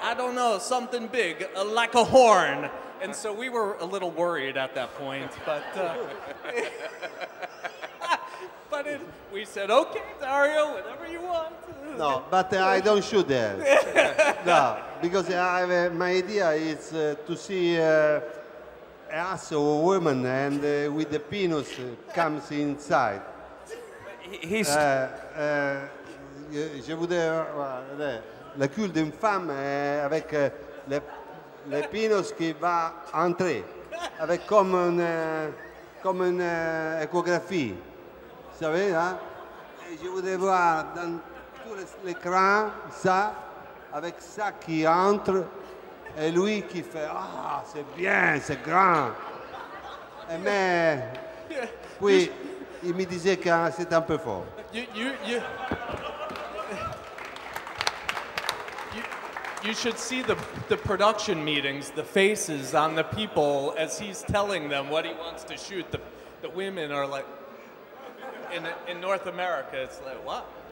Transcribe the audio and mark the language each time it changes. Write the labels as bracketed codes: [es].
[en] I don't know, something big, like a horn. And so we were a little worried at that point, but we said, okay, Dario, whatever you want. No, but I don't shoot there. No, because I have, my idea is to see an ass of a woman and with the penis comes inside. He's... [fr] je voudrais... La cul d'une femme avec le pinos qui va entrer, avec comme une échographie. Vous savez, hein? Et je voudrais voir dans tout l'écran ça, avec ça qui entre, et lui qui fait ah, oh, c'est bien, c'est grand. Et mais, puis, il me disait que c'était un peu fort. [en] You should see the production meetings, the faces on the people as he's telling them what he wants to shoot. The women are like, in North America, it's like, what?